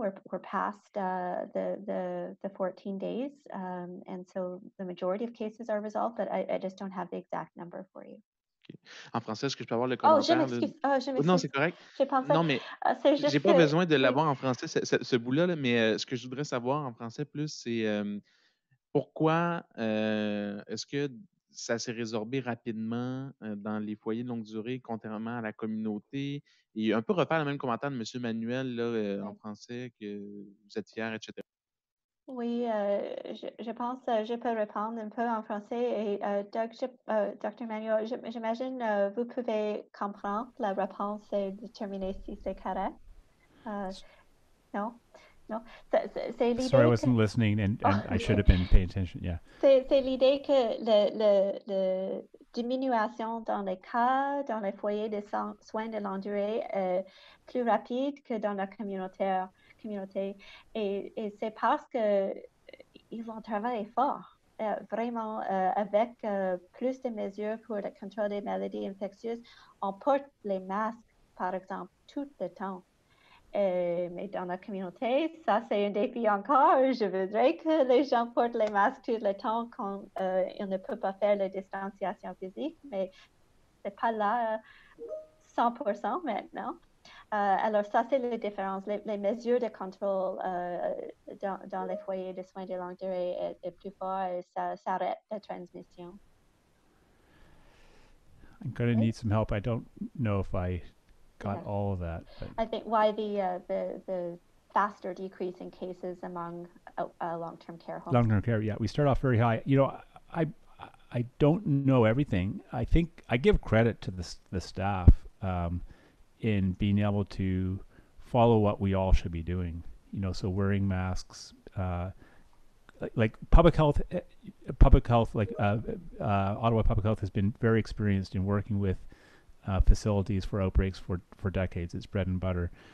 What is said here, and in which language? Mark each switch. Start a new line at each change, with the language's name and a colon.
English: We're past the 14 days, and so the majority of cases are resolved. But I just don't have the exact number for you.
French: Okay. En français, est-ce que je peux avoir le commentaire? Oh, je m'excuse. Non, c'est correct. J'ai pensé... Non, mais j'ai pas besoin de l'avoir en français, ce bout-là, là, mais ce que je voudrais savoir en français plus, c'est pourquoi est-ce que ça s'est résorbé rapidement dans les foyers de longue durée, contrairement à la communauté? Et un peu refaire le même commentaire de M. Manuel là, en français, que vous êtes fier, etc. Oui, je pense que je peux répondre un peu en français. Et Dr. Manuel, j'imagine que vous pouvez comprendre la réponse et déterminer si c'est correct. Non.
English: Sorry, I wasn't listening and I should have been paying attention. Yeah.
French: C'est l'idée que la diminution dans les cas, dans les foyers de soins de longue durée est plus rapide que dans la communautaire. Communauté et c'est parce que ils ont travaillé fort vraiment avec plus de mesures pour le contrôle des maladies infectieuses. On porte les masques par exemple tout le temps, mais dans la communauté ça c'est un défi encore. Je voudrais que les gens portent les masques tout le temps quand ils ne peuvent pas faire la distanciation physique, mais c'est pas là 100% maintenant. Alors, ça, c'est la différence. Les mesures de contrôle dans les foyers de soins de longue durée est plus fort et ça arrête la transmission.
English: I'm going to need some help. I don't know if I got all of that. I think why the faster decrease in cases among long-term care homes. Long-term care, yeah. We start off very high. You know, I don't know everything. I think I give credit to the staff. In being able to follow what we all should be doing, you know, so wearing masks, like public health, Ottawa Public Health has been very experienced in working with facilities for outbreaks for decades. It's bread and butter.